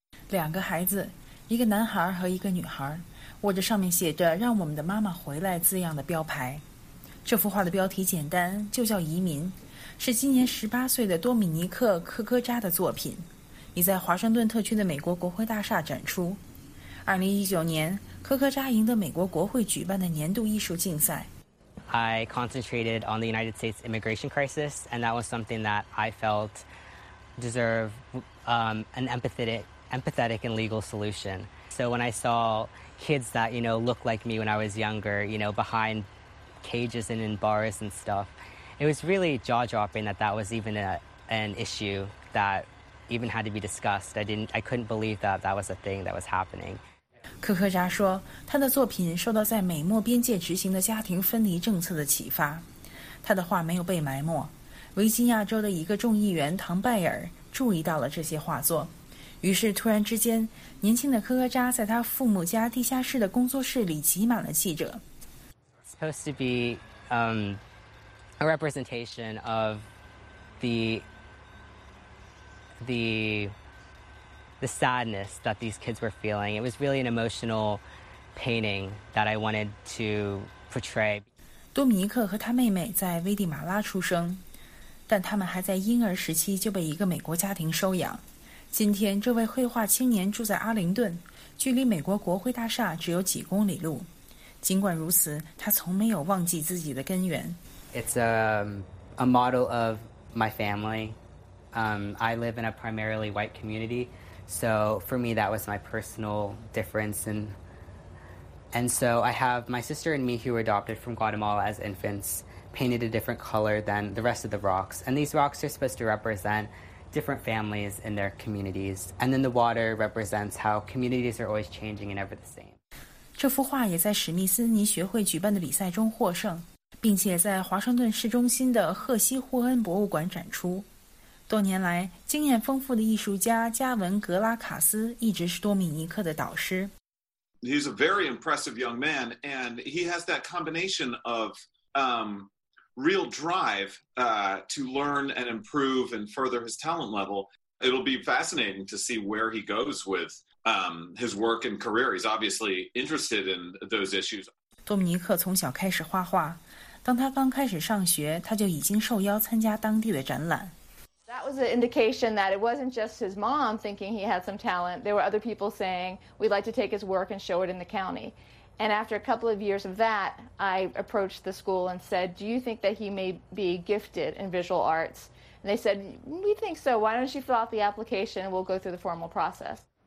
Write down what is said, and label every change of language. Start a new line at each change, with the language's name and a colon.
Chinese: 两个孩子，一个男孩和一个女孩，握着上面写着让我们的妈妈回来字样的标牌。这幅画的标题简单，就叫移民，是今年18岁的多米尼克·科科扎的作品，已在华盛顿特区的美国国会大厦展出。 2019年，科科扎赢得美国国会举办的年度艺术竞赛。
English: I concentrated on the United States immigration crisis, and that was something that I felt deserved an empathetic and legal solution. So when I saw kids that you know looked like me when I was younger, you know, behind cages and in bars and stuff, it was really jaw-dropping that that was even an issue that. Even had to be discussed. I couldn't believe that that was a thing that was happening.
Chinese: 科科扎说，他的作品受到在美墨边界执行的家庭分离政策的启发。他的画没有被埋没。维吉尼亚州的一个众议员唐拜尔注意到了这些画作，于是突然之间，年轻的科科扎在他父母家地下室的工作室里挤满了记者。
English: It's supposed to be a representation of the sadness that these kids were feeling. It was really an emotional painting that I wanted to portray.
Chinese: 多米尼克和他妹妹在危地马拉出生，但他们还在婴儿时期就被一个美国家庭收养。今天，这位绘画青年住在阿灵顿，距离美国国会大厦只有几公里路。尽管如此，他从没有忘记自己的根源。
English: It's a model of my family. I live in a primarily white community, so for me that was my personal difference. And so I have my sister and me who were adopted from Guatemala as infants, painted a different color than the rest of the rocks. And these rocks are supposed to represent different families in their communities. And then the water represents how communities are always changing and ever the same.
Chinese: 这幅画也在史密斯尼学会举办的比赛中获胜，并且在华盛顿市中心的赫西霍恩博物馆展出。多年来，经验丰富的艺术家加文·格拉卡斯一直是多米尼克的导师。
English: He's a very impressive young man, and he has that combination of real drive to learn and improve and further his talent level. It'll be fascinating to see where he goes with his work and career. He's obviously interested in those issues.
Chinese: 多米尼克从小开始画画，当他刚开始上学，他就已经受邀参加当地的展览。
English: That was an indication that it wasn't just his mom thinking he had some talent. There were other people saying, we'd like to take his work and show it in the county. And after a couple of years of that, I approached the school and said, do you think that he may be gifted in visual arts? And they said, we think so. Why don't you fill out the application and we'll go through the formal process.